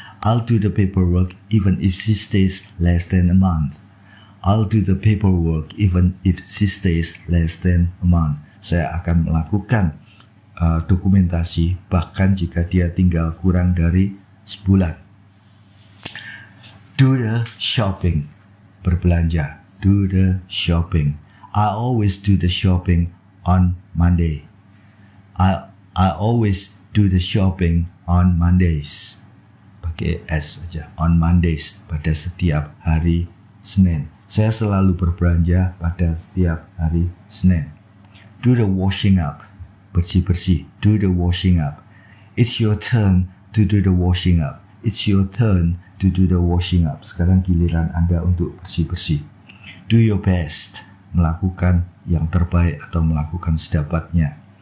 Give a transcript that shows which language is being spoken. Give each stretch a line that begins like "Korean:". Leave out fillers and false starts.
English: I'll do the paperwork even if she stays less than a month. I'll do the paperwork even if she stays less than a month.
Indonesian: Saya akan melakukan dokumentasi bahkan jika dia tinggal kurang dari sebulan.
English: Do the shopping. Berbelanja. Do the shopping. I always do the shopping on Monday. I always do the shopping on Mondays.
Indonesian: Pakai S aja. On Mondays. Pada setiap hari Senin. Saya selalu berbelanja pada setiap hari Senin.
English: Do the washing up. Bersih-bersih. Do the washing up. It's your turn to do the washing up. It's your turn to do the washing up.
Indonesian: Sekarang giliran Anda untuk bersih-bersih. Do your best. Melakukan yang terbaik atau melakukan sedapatnya.